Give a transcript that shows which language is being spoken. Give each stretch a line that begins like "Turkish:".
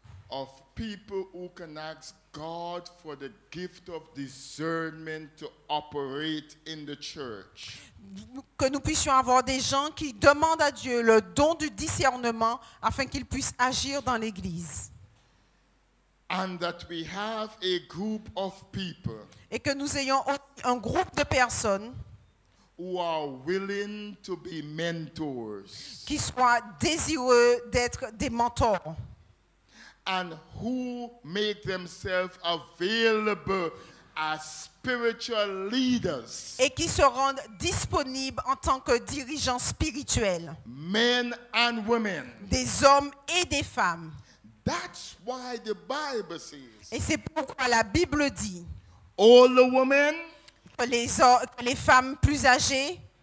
English: Of people who can ask God for the gift of discernment to operate in the church.
French: Que nous puissions avoir des gens qui demandent à Dieu le don du discernement afin qu'ils puissent agir dans l'église.
English: And that we have a group of people.
French: Et que nous ayons un groupe de personnes
English: who are willing to be mentors.
French: Qui soient désireux d'être des mentors.
English: And who make themselves available as spiritual leaders.
French: Et qui se rendent disponibles en tant que dirigeants spirituels.
English: Men and women.
French: Des hommes et des femmes.
English: That's why the Bible says.
French: Et c'est pourquoi la Bible dit.
English: All the women.
French: Les femmes plus âgées.